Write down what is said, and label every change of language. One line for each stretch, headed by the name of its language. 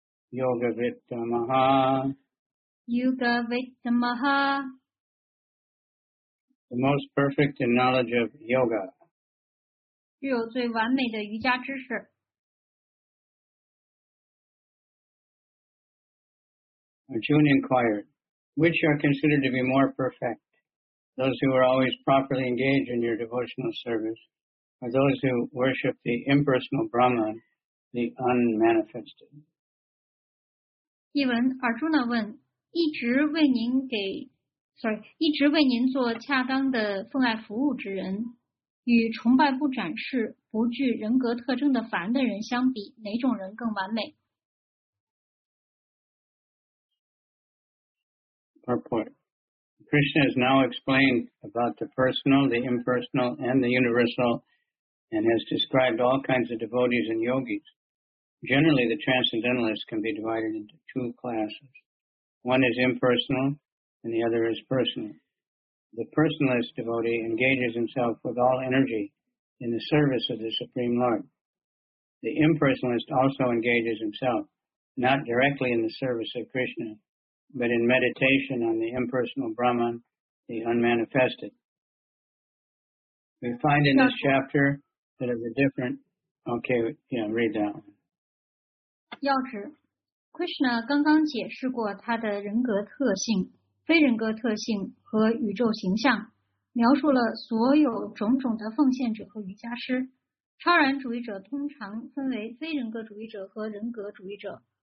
English: ？Yoga Vidya Maha。 Yoga Vidya Maha。 The most perfect knowledge of yoga。
Chinese: 具有最完美的瑜伽知识。
English: Arjuna inquired, which are considered to be more perfect, those who are always properly engaged in your devotional service, or those who worship the impersonal Brahman, the unmanifested?
Chinese: 译文 Arjuna 问，一直为您做恰当的奉爱服务之人，与崇拜不展示、不具人格特征的凡的人相比，哪种人更完美？
English: Purport. Krishna has now explained about the personal, the impersonal, and the universal, and has described all kinds of devotees and yogis. Generally, the transcendentalists can be divided into two classes. One is impersonal, and the other is personal. The personalist devotee engages himself with all energy in the service of the Supreme Lord. The impersonalist also engages himself, not directly in the service of Krishna,but in meditation on the impersonal Brahman, the unmanifested. We find in this chapter that of the different... Okay, yeah, read that one.
Chinese: 要旨 Krishna 刚刚解释过他的人格特性、非人格特性和宇宙形象，描述了所有种种的奉献者和瑜伽师。超然主义者通常分为非人格主义者和人格主义者。